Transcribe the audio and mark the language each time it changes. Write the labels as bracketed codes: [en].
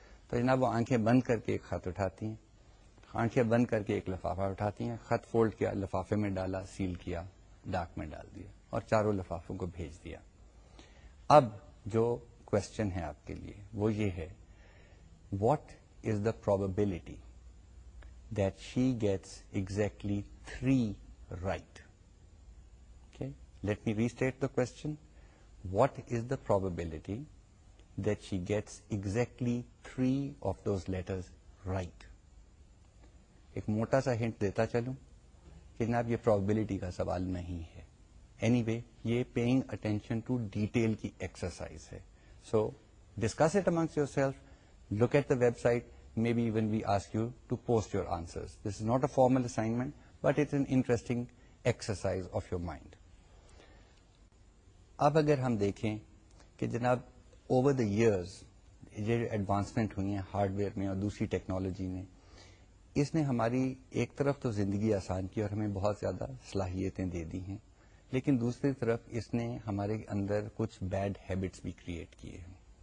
[ur] تو جناب وہ آنکھیں بند کر کے ایک خط اٹھاتی ہیں, آنکھیں بند کر کے ایک لفافہ اٹھاتی ہیں, خط فولڈ کیا, لفافے میں ڈالا, سیل کیا, ڈاک میں ڈال دیا اور 4 لفافوں کو بھیج دیا. اب جو کوشچن ہے آپ کے لیے وہ یہ ہے, [en] What is the probability that she gets exactly 3 right. Let me restate the question. What is the probability that she gets exactly 3 of those letters right? [ur] ایک موٹا سا ہنٹ دیتا چلوں کہ جناب یہ پروبیبلٹی کا سوال نہیں ہے. [en] anyway [ur] یہ [en] paying attention to detail [ur] کی ایکسرسائز ہے. [en] So discuss it amongst yourself, look at the website, maybe even we ask you to post your answers. This is not a formal assignment but it's an interesting exercise of your mind. [ur] اب اگر ہم دیکھیں کہ جناب [en] over the years [ur] یہ جو advancement ہوئی ہیں ہارڈ ویئر میں اور دوسری ٹیکنالوجی میں, اس نے ہماری ایک طرف تو زندگی آسان کی اور ہمیں بہت زیادہ صلاحیتیں دے دی ہیں, لیکن دوسری طرف اس نے ہمارے اندر کچھ بیڈ ہیبٹس بھی کریٹ کیے ہیں.